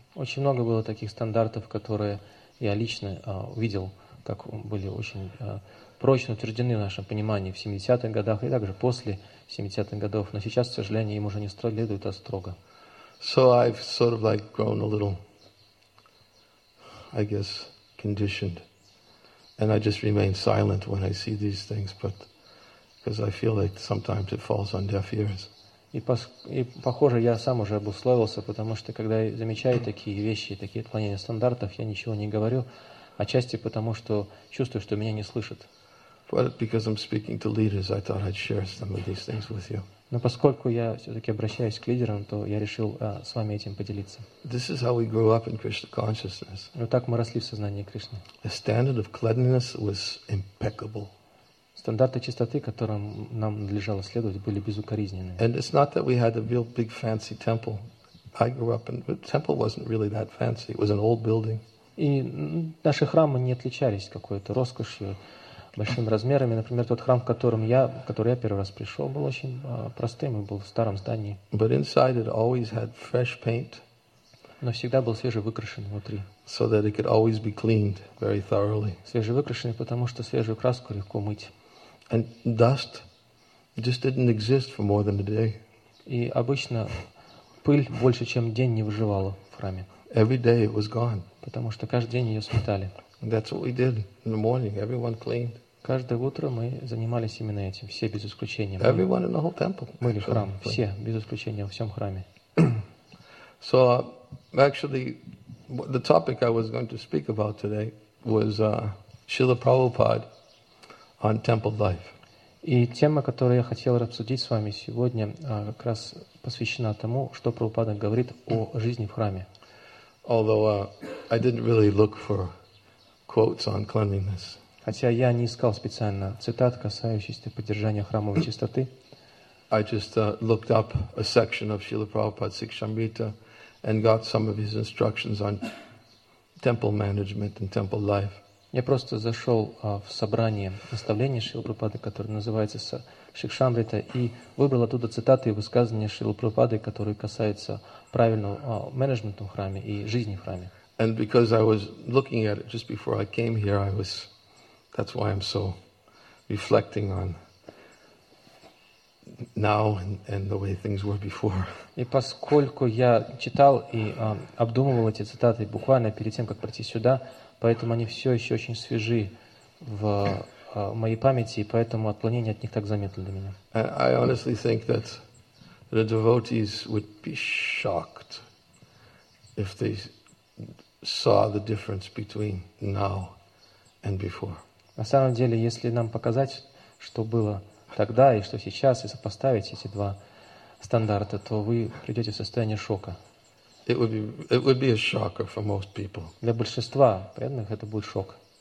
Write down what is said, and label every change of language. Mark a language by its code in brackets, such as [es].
[ru] Очень много было таких стандартов, которые я лично увидел, как были очень прочно утверждены в нашем понимании в 70-х годах и также после 70-х годов, но сейчас, к сожалению, им уже не следуют, а строго. [en] So I've sort of like grown a little, I guess, conditioned. And I just remain silent when I see these things, but because I feel like sometimes it falls on deaf ears. [ru] И похоже, я сам уже обусловился, потому что когда я замечаю такие вещи, такие отклонения стандартов, я ничего не говорю, отчасти потому, что чувствую, что меня не слышат. [en] But because I'm speaking to leaders, I thought I'd share some of these things with you. [ru] Но поскольку я все-таки обращаюсь к лидерам, то я решил с вами этим поделиться. [en] This is how we grew up in Krishna consciousness. [ru] Вот так мы росли в сознании Кришны. [en] The standard of cleanliness was impeccable. [ru] Стандарты чистоты, которым нам надлежало следовать, были безукоризненны. [en] And it's not that we had a real big fancy temple. I grew up in, the temple wasn't really that fancy. It was an old building. [ru] И наши храмы не отличались какой-то роскошью, большими размерами. Например, тот храм, в который я первый раз пришел, был очень простым и был в старом здании. [en] But inside it always had fresh paint. [ru] Но всегда был свежевыкрашен внутри. [en] So that it could always be cleaned very thoroughly. [ru] Свежевыкрашенный, потому что свежую краску легко мыть. [en] And dust just didn't exist for more than a day. [ru] И обычно пыль больше, чем день, не выживала в храме. [en] Every day it was gone. [ru] Потому что каждый день ее сметали. [en] That's what we did in the morning. Everyone cleaned. [ru] Каждое утро мы занимались именно этим, все без исключения. [en] Everyone in the whole temple. [ru] Мыли храм, все без исключения во всем храме. [en] So actually, the topic I was going to speak about today was Srila Prabhupada on temple life. [ru] И тема, которую я хотел обсудить с вами сегодня, как раз посвящена тому, что Прабхупада говорит о жизни в храме. [en] Although I didn't really look for quotes on cleanliness. [ru] Хотя я не искал специально цитат, касающийся поддержания храмовой чистоты. [en] I just looked up a section of Srila Prabhupada's Sikshamrita and got some of his instructions on temple management and temple life. [ru] Я просто зашел в собрание наставления Шрилы Прабхупады, которое называется Сикшамрита, и выбрал оттуда цитаты и высказывания Шрилы Прабхупады, которые касаются правильного менеджмента в храме и жизни в храме. [en] And because I was looking at it just before I came here, I was, that's why I'm so reflecting on now and the way things were before. [ru] И поскольку я читал и обдумывал эти цитаты буквально перед тем, как прийти сюда, поэтому они все еще очень свежи в моей памяти, и поэтому отклонение от них так заметно для меня. [en] I honestly think that the devotees would be shocked if they saw the difference between now and before. [ru] На самом деле, если нам показать, что было тогда и что сейчас, и сопоставить эти два стандарта, то вы придете в состояние шока. [en] It would be a shocker for most people. [ru] Для большинства преданных это будет шок.